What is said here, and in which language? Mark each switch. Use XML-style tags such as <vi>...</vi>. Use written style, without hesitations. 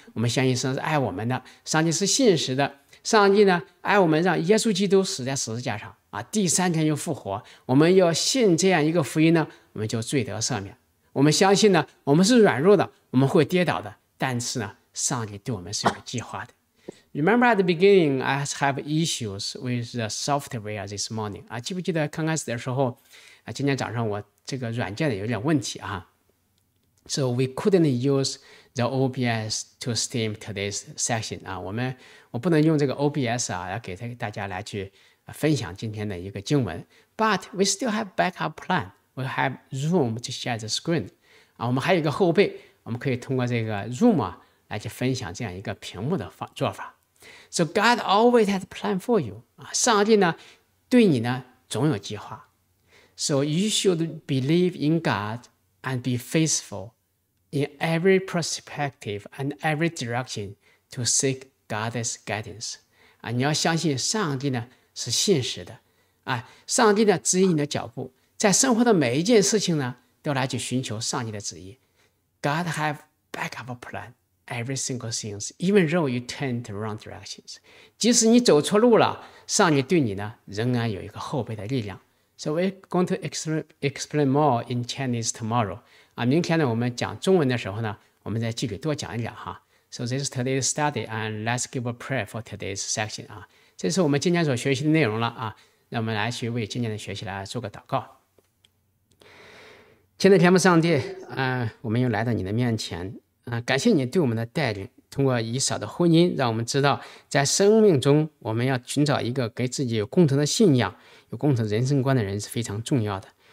<zh>我们相信神是爱我们的，上帝是信实的，上帝呢爱我们，让耶稣基督死在十字架上啊，第三天又复活。我们要信这样一个福音呢，我们就罪得赦免。我们相信呢，我们是软弱的，我们会跌倒的，但是呢，上帝对我们是有计划的。</zh> <en>Remember at the beginning, I have issues with the software this morning.</en> <zh>啊，记不记得刚开始的时候，啊，今天早上我这个软件有点问题啊。</zh> <en>So we couldn't use the OBS to stream today's session.</en> <zh>啊，我不能用这个 OBS 啊，来给大家来去分享今天的一个经文。</zh> <en>But we still have backup plan. We have Zoom to share the screen.</en> <zh>啊，我们还有一个后备，我们可以通过这个 Zoom 啊。来去分享这样一个屏幕的做法。</zh> <en>So God always has a plan for you.</en> <zh>上帝呢对你呢总有计划。</zh> <en>So you should believe in God and be faithful in every perspective and every direction to seek God's guidance.</en> <zh>你要相信上帝呢是信实的。上帝呢指引你的脚步，在生活的每一件事情呢都来去寻求上帝的旨意。</zh> <en>God have backup plan. Every single thing, even though you turn the wrong directions.</en> <zh>即使你走错路了，上帝对你呢仍然有一个后备的力量。</zh> <en>So we're going to explain more in Chinese tomorrow.</en> <zh>明天呢我们讲中文的时候呢，我们再继续多讲一讲哈。</zh> <en>So this is today's study and let's give a prayer for today's section.</en> <zh>这是我们今天所学习的内容了啊。那我们来去为今天的学习来做个祷告。亲爱的天父上帝，我们又来到你的面前。感谢你对我们的带领，通过以扫的婚姻让我们知道，在生命中我们要寻找一个跟自己有共同的信仰、有共同人生观的人是非常重要的。</zh>